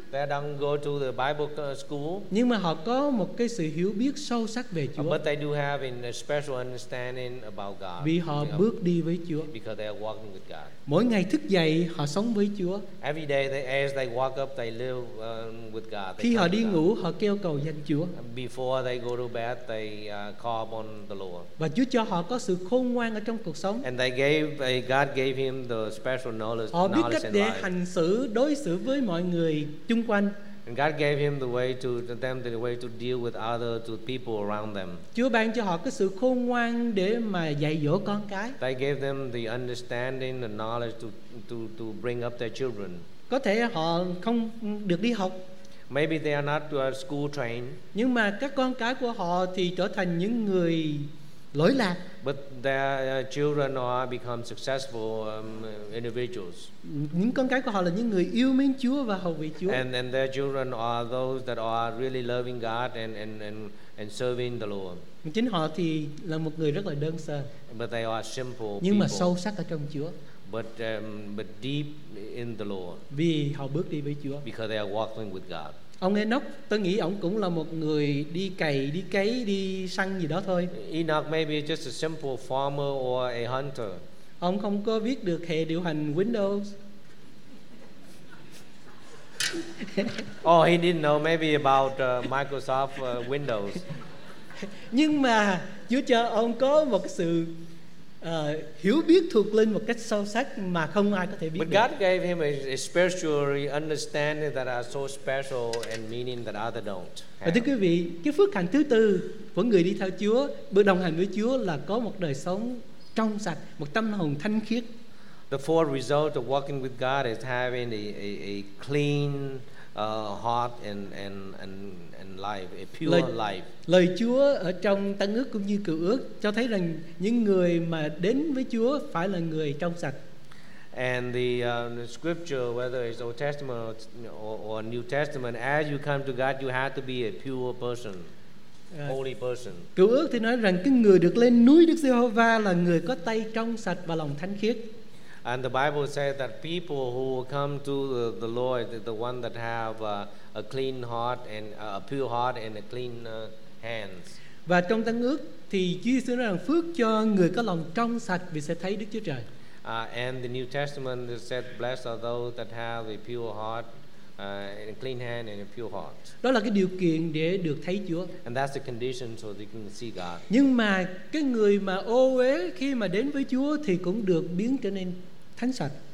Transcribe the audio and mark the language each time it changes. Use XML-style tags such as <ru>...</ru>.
<en>They don't go to the Bible school.</en> <vi>Nhưng mà họ có một cái sự hiểu biết sâu sắc về Chúa.</vi> <en>But they do have a special understanding about God.</en> <vi>Vì họ bước đi với Chúa.</vi> <en>Because they are walking with God.</en> <vi>Mỗi ngày thức dậy họ sống với Chúa.</vi> <en>Every day as they walk up they live with God.</en> <vi>Khi họ đi ngủ họ kêu cầu danh Chúa.</vi> <en>Before they go to bed they call upon the Lord.</en> <vi>Và Chúa cho họ có sự khôn ngoan ở trong cuộc sống.</vi> <en>And they gave God gave him the special knowledge.</en> <vi>Họ biết cách để hành xử đối xử với mọi người chung quanh.</vi> <en>And God gave him the way to them the way to deal with other to people around them.</en> <vi>Chúa ban cho họ cái sự khôn ngoan để mà dạy dỗ con cái.</vi> <en>They gave them the understanding the knowledge to bring up their children.</en> <vi>Có thể họ không được đi học.</vi> <en>Maybe they are not to a school trained.</en> <vi>Nhưng mà các con cái của họ thì trở thành những người lỗi lạc.</vi> <en>But their children are become successful individuals.</en> <vi>Những con cái của họ là những người yêu mến Chúa và hầu vị Chúa.</vi> <en>And their children are those that are really loving God and serving the Lord.</en> <vi>Chính họ thì là một người rất là đơn sơ.</vi> <en>But they are simple.</en> <vi>Nhưng</vi> <en>people.</en> <vi>Mà sâu sắc ở trong Chúa.</vi> <en>But deep in the Lord.</en> <vi>Vì họ bước đi với Chúa.</vi> <en>Because they are walking with God.</en> <vi>Ông Enoch, tôi nghĩ ông cũng là một người đi cày, đi cấy, đi săn gì đó thôi.</vi> <en>Enoch may be just a simple farmer or a hunter.</en> <vi>Ông không có viết được hệ điều hành Windows.</vi> <en>Oh, he didn't know maybe about Microsoft Windows.</en> <vi>Nhưng mà Chúa cho ông có một sự hiểu biết thuộc linh một cách sâu sắc mà không ai có thể biết.</vi> <en>But God gave him a special understanding that are so special and meaning that others don't.</en> <vi>Và thưa quý vị, cái phước hạnh thứ tư của người đi theo Chúa, bước đồng hành với Chúa là có một đời sống trong sạch, một tâm hồn thanh khiết.</vi> <en>The fourth result of walking with God is having a clean heart and life, a pure life.</en> <vi>Lời Chúa ở trong Tân Ước cũng như Cựu Ước cho thấy rằng những người mà đến với Chúa phải là người trong sạch.</vi> <en>And the scripture, whether it's Old Testament or New Testament, as you come to God, you have to be a pure person, holy person.</en> <vi>Cựu Ước thì nói rằng cái người được lên núi Đức Giê-hô-va là người có tay trong sạch và lòng thánh khiết.</vi> <en>And the Bible says that people who come to the Lord, the one that have a clean heart and a pure heart and a clean hands.</en> <vi>Và trong Tân Ước thì Chúa Giê-xu nói rằng phước cho người có lòng trong sạch vì sẽ thấy Đức Chúa Trời.</vi> <en>And the New Testament said, blessed are those that have a pure heart, and a clean hand and a pure heart.</en> <vi>Đó là cái điều kiện để được thấy Chúa.</vi> <en>And that's the condition so they can see God.</en> <vi>Nhưng mà cái người mà ô uế khi mà đến với Chúa thì cũng được biến trở nên thánh sạch.</vi>